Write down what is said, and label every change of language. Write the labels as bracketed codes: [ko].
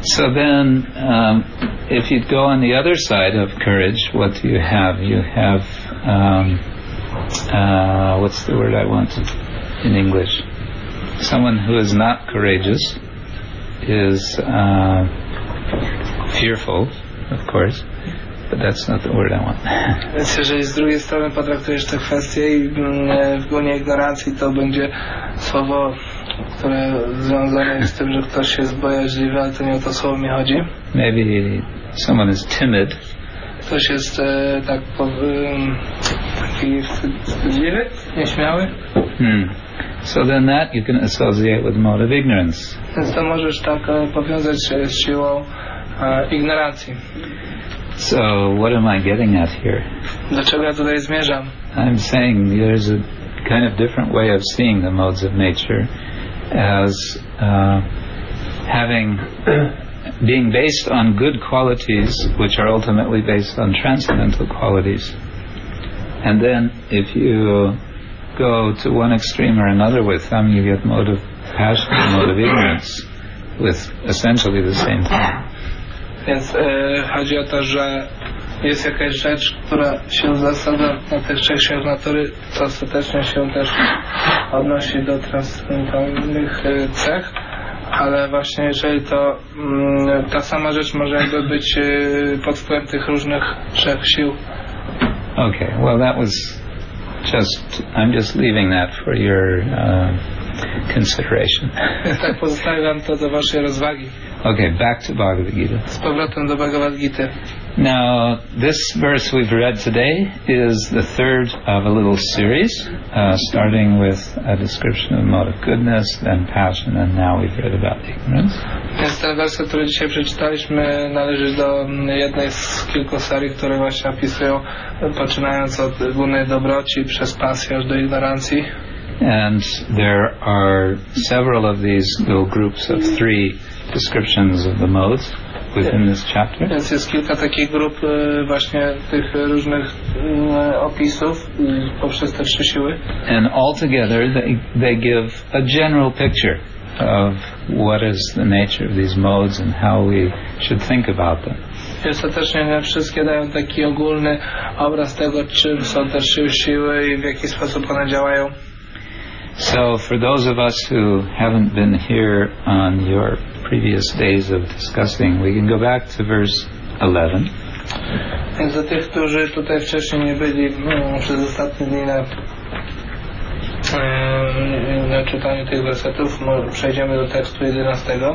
[en] So then, if you go on the other side of courage, what do you have? You have, what's the word I wanted in English? Someone who is not courageous is fearful, of course. But that's not the word I want. [pl] Więc jeżeli z drugiej strony potraktujesz tę kwestię i w gronie ignorancji, to będzie słowo, które związane jest z tym, że ktoś jest bojaźliwy, ale to nie o to słowo mi chodzi. [en] Maybe someone is timid. [pl] Ktoś jest taki wstydliwy, nieśmiały. [en] So then that you can associate with mode of ignorance. [pl] Więc to możesz tak powiązać się z siłą ignorancji. [en] So what am I getting at here? [pl] Dlaczego ja tutaj zmierzam? [en] I'm saying there's a kind of different way of seeing the modes of nature as having being based on good qualities, which are ultimately based on transcendental qualities. And then if you go to one extreme or another with them, you get mode of passion and mode of ignorance with essentially the same thing. [pl] Więc chodzi o to, że jest jakaś rzecz, która się zasadza na tych trzech siłach natury, co ostatecznie się też odnosi do transcendentalnych cech, ale właśnie jeżeli to ta sama rzecz może jakby być pod wpływem tych różnych trzech sił. [en] Okay, well that was just, I'm just leaving that for your consideration. [pl] Tak, pozostawiam to do waszej rozwagi. [en] Okay, back to Bhagavad Gita. [pl] Z powrotem do Bhagavad Gita. [en] Now, this verse we've read today is the third of a little series, starting with a description of the mode of goodness, then passion, and now we've read about ignorance. [pl] Więc ten wers, który dzisiaj przeczytaliśmy, należy do jednej z kilku serii, które właśnie opisują, poczynając od głównej dobroci, przez pasję, aż do ignorancji. [en] And there are several of these little groups of three descriptions of the modes within this chapter. [pl] Więc jest kilka takich grup właśnie tych różnych opisów poprzez te trzy siły. [en] And altogether they give a general picture of what is the nature of these modes and how we should think about them. [pl] Ostatecznie wszystkie dają taki ogólny obraz tego, czym są te trzy siły i w jaki sposób one działają. [en] So for those of us who haven't been here on your previous days of discussing, we can go back to verse 11. [pl] Więc za tych, którzy tutaj wcześniej nie byli przez ostatnie dni na czytaniu tych wersetów, przejdziemy do tekstu 11.